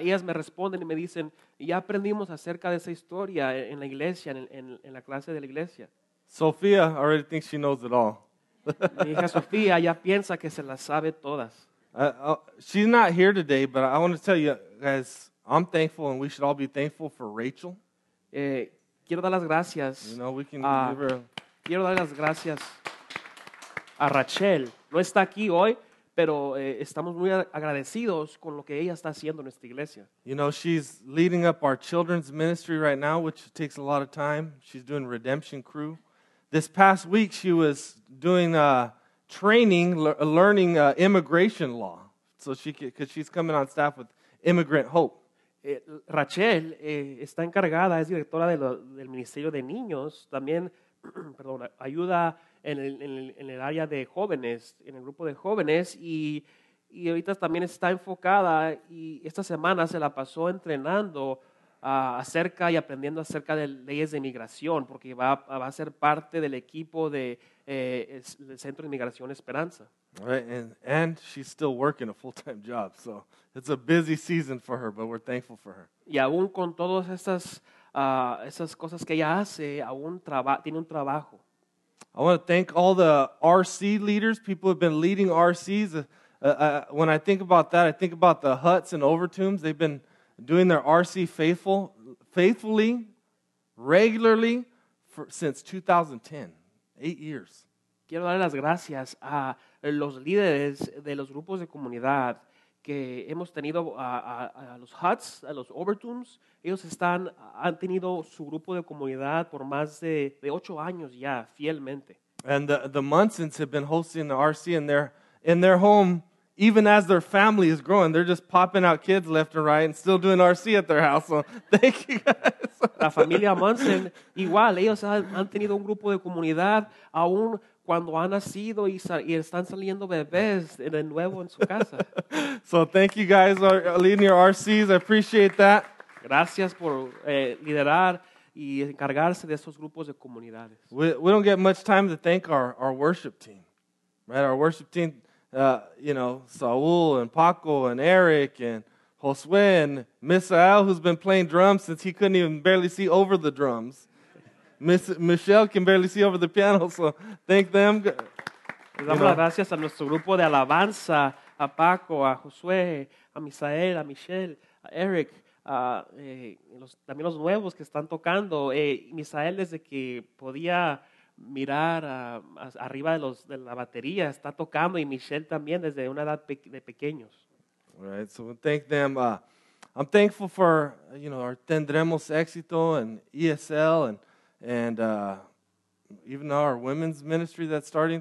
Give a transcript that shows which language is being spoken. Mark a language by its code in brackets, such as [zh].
[es] Ellas me responden y me dicen, ya aprendimos acerca de esa historia en la iglesia, en la clase de la iglesia. [en] Sofía already thinks she knows it all. [es] Mi hija Sofía ya piensa que se las sabe todas. [en] She's not here today, but I want to tell you guys, I'm thankful and we should all be thankful for Rachel. [es] Quiero dar las gracias. [en] You know, we can give her. [es] Quiero dar las gracias a Rachel. No está aquí hoy, pero estamos muy agradecidos con lo que ella está haciendo en esta iglesia. [en] You know, she's leading up our children's ministry right now, which takes a lot of time. She's doing Redemption Crew. This past week, she was doing learning immigration law. So she, because she's coming on staff with Immigrant Hope. [es] Rachel está encargada, es directora del Ministerio de Niños, también perdón, ayuda en el área de jóvenes, en el grupo de jóvenes, y ahorita también está enfocada, y esta semana se la pasó entrenando acerca y aprendiendo acerca de leyes de inmigración, porque va a ser parte del equipo del Centro de Inmigración Esperanza. [en] Right, and she's still working a full-time job, so it's a busy season for her, but we're thankful for her. [es] Y aún con todas esas cosas que ella hace, aún tiene un trabajo. [en] I want to thank all the RC leaders, people who have been leading RCs. When I think about that, I think about the Huts and Overtombs. They've been doing their RC faithfully, regularly, since 2010, 8 years. [es] Quiero dar las gracias a los líderes de los grupos de comunidad que hemos tenido a los Huts, a los Overtombs. Ellos han tenido su grupo de comunidad por más de 8 años ya, fielmente. [en] And the Munsons have been hosting the RC in their home, even as their family is growing. They're just popping out kids left and right and still doing RC at their house. So thank you guys. [es] La familia Munson, igual, ellos han tenido un grupo de comunidad aún cuando han nacido y están saliendo bebés de nuevo en su casa. [en] So thank you guys for leading your RCs. I appreciate that. [es] Gracias por liderar y encargarse de esos grupos de comunidades. [en] We don't get much time to thank our worship team. Right? Our worship team, you know, Saul and Paco and Eric and Josue and Misael, who's been playing drums since he couldn't even barely see over the drums. Michelle can barely see over the piano, so thank them. [es] Le damos las gracias a nuestro grupo de alabanza, a Paco, a Josué, a Misael, a Michelle, a Eric, también los nuevos que están tocando. Misael, desde que podía mirar arriba de la batería, está tocando, y Michelle también desde una edad de pequeños. [en] All right, so thank them. I'm thankful for, you know, our Tendremos Éxito and ESL and even our women's ministry that's starting.